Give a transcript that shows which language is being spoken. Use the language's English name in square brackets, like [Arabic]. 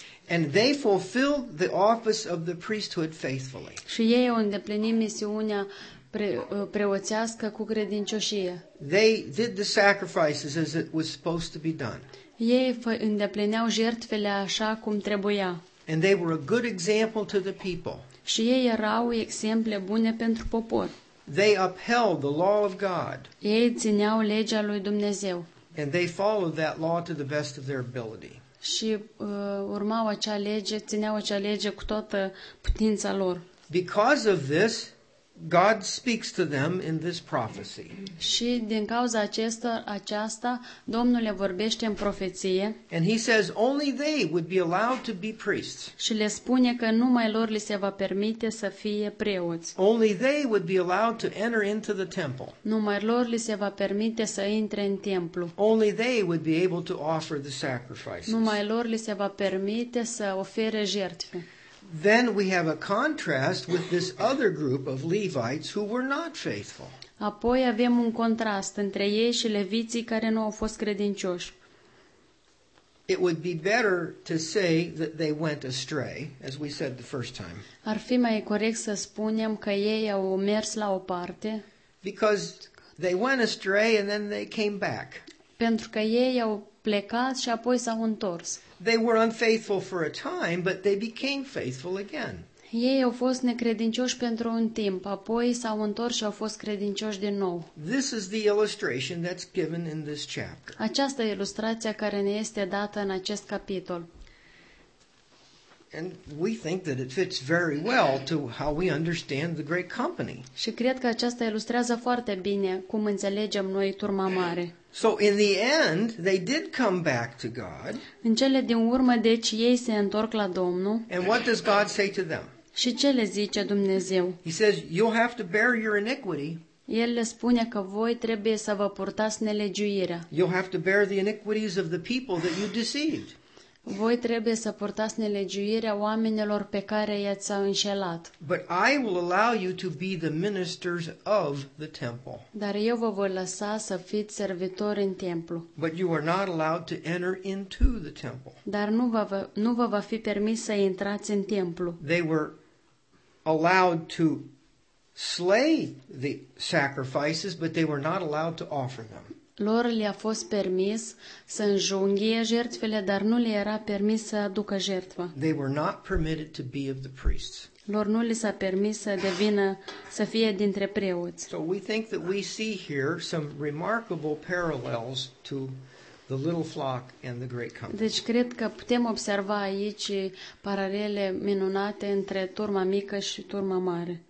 [English] And they fulfilled the office of the priesthood faithfully. [Romanian] Și ei au îndeplinit misiunea preoțească cu credincioșie. [English] They did the sacrifices as it was supposed to be done. [Romanian] Ei îndeplineau jertfele așa cum trebuia. [English] And they were a good example to the people. [Romanian] Și ei erau exemple bune pentru popor. [English] They upheld the law of God. [Romanian] Ei țineau legea lui Dumnezeu. [English] And they followed that law to the best of their ability. [Romanian] Și urmau acea lege, țineau acea lege cu toată putința lor. [English] Because of this, God speaks to them in this prophecy. [Romanian] Și din cauza aceasta, Domnul le vorbește în profeție. [English] And he says only they would be allowed to be priests. [Romanian] Și le spune că numai lor li se va permite să fie preoți. [English] Only they would be allowed to enter into the temple. [Romanian] Numai lor li se va permite să intre în templu. [English] Only they would be able to offer the sacrifices. [Romanian] Numai lor li se va permite să ofere jertfe. [English] Then we have a contrast with this other group of Levites who were not faithful. [Romanian] Apoi avem un contrast între ei și leviții care nu au fost credincioși. [English] It would be better to say that they went astray, as we said the first time. [Romanian] Ar fi mai corect să spunem că ei au mers la o parte. [English] Because they went astray and then they came back. [Romanian] Pentru că ei au plecat și apoi s-au întors. [English] They were unfaithful for a time, but they became faithful again. [Romanian] Ei au fost necredincioși pentru un timp, apoi s-au întors și au fost credincioși din nou. [English] This is the illustration that's given in this chapter. [Romanian] Aceasta e ilustrația care ne este dată în acest capitol. [English] And we think that it fits very well to how we understand the great company. [Romanian] Și cred că aceasta ilustrează foarte bine cum înțelegem noi turma mare. [English] So in the end they did come back to God. [Romanian] În cele din urmă deci ei se întorc la Domnul. [English] And what does God say to them? [Romanian] Și ce le zice Dumnezeu? [English] He says you'll have to bear your iniquity. [Romanian] El le spune că voi trebuie să vă purtați nelegiuirea. [English] You'll have to bear the iniquities of the people that you deceived. [Romanian] Voi trebuie să purtați nelegiuirea oamenilor pe care i-ați înșelat. [English] But I will allow you to be the ministers of the temple. [Romanian] Dar eu vă voi lăsa să fiți servitori în templu. [English] But you are not allowed to enter into the temple. [Romanian] Dar nu vă va fi permis să intrați în templu. [English] They were allowed to slay the sacrifices, but they were not allowed to offer them. [Romanian] Lor le-a fost permis să înjunghie jertfele, dar nu le era permis să aducă jertfă. [English] They were not permitted to be of the priests. [Romanian] Lor nu li s-a permis să devină, să fie dintre preoți. [English] So we think that we see here some remarkable parallels to the little flock and the great company. [Romanian] Deci cred că putem observa aici paralele minunate între turma mică și turma mare.